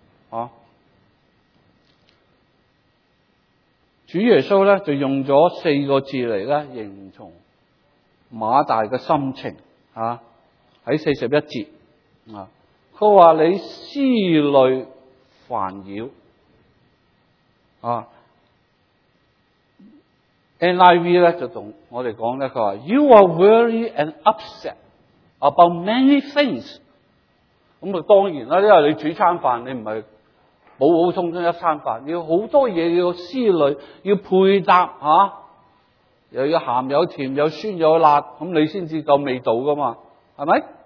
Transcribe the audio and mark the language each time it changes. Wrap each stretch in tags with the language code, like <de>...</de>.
<yue>啊、主耶稣呢就用了4个字来呢形容马大的心情、啊、在41节、啊、他说你思虑烦扰、啊、 NIV 咧就同我哋讲咧，佢话</yue> <en>You are worried and upset about many things。</en> <yue>咁啊，当然啦，因为你煮餐饭，你唔系普普通通一餐饭，要好多嘢要思虑，要配搭吓、又要咸有甜，有酸有辣，咁你先至够味道噶嘛，系咪？</yue>